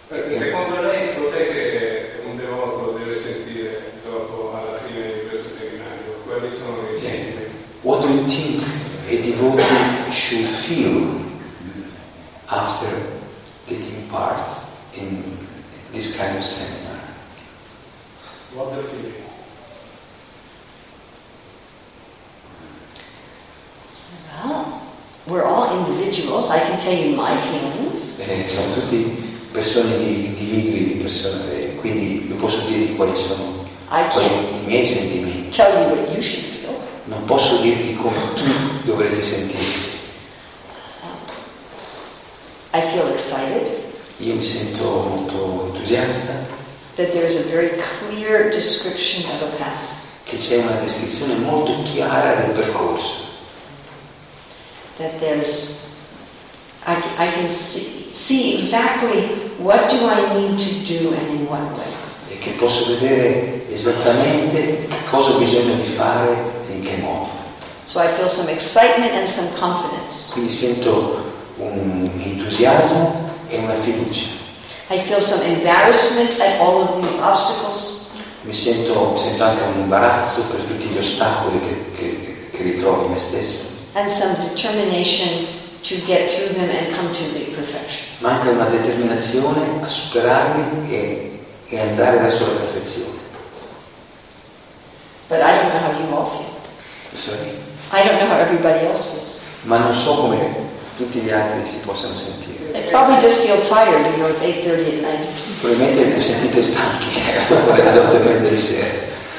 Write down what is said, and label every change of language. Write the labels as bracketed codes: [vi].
[it] Secondo lei cos'è che un devoto deve sentire dopo alla fine di questo seminario? Quali sono i sentimenti? [en] What do you think a devotee should feel after taking part in this kind of seminar? What the feeling? We're all individuals. I can tell you my feelings. [it] Siamo tutti persone di individui, di persone. Quindi io posso dirti quali sono i miei sentimenti. [en] Tell you what you should feel. [it] Non posso dirti come tu dovresti sentirti. [en] I feel excited. [it] Io mi sento molto entusiasta. [en] That there is a very clear description of a path. [it] Che c'è una descrizione molto chiara del percorso. [en] That there's, I can see exactly what do I need to do and in what way. [it] E che posso vedere esattamente cosa ho bisogno di fare e in che modo. [en] So I feel some excitement and some confidence. [it] Quindi sento un entusiasmo e una fiducia. [en] I feel some embarrassment at all of these obstacles. [it] Mi sento anche un imbarazzo per tutti gli ostacoli che ritrovo in me stesso. [en] And some determination to get through them and come to the perfection. [it] Manca una determinazione a superarli e andare verso la perfezione. [en] But I don't know how you all feel. Sorry. I don't know how everybody else feels. [it] Ma non so come tutti gli altri si possano sentire. [en] They probably just feel tired, you know, it's 8:30 at night. [it] Probabilmente vi sentite stanchi dopo le 8:30 di sera.